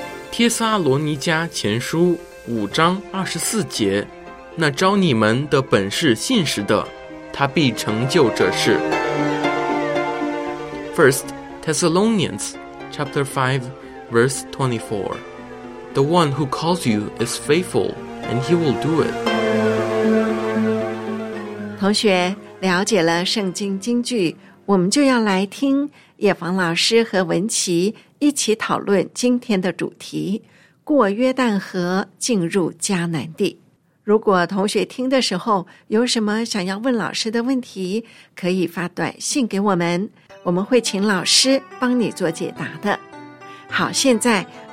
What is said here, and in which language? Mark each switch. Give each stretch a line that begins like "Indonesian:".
Chinese: 帖撒罗尼迦前书五章二十四节，那招你们的本是信实的，他必成就这事。
English: First Thessalonians chapter 5 verse 24, The one who calls you is faithful and he will do it.
Chinese: 同学了解了圣经经句，我们就要来听叶芳老师和文琪一起讨论今天的主题，过约旦河进入迦南地。如果同学听的时候有什么想要问老师的问题，可以发短信给我们，我们会请老师帮你做解答的。好，现在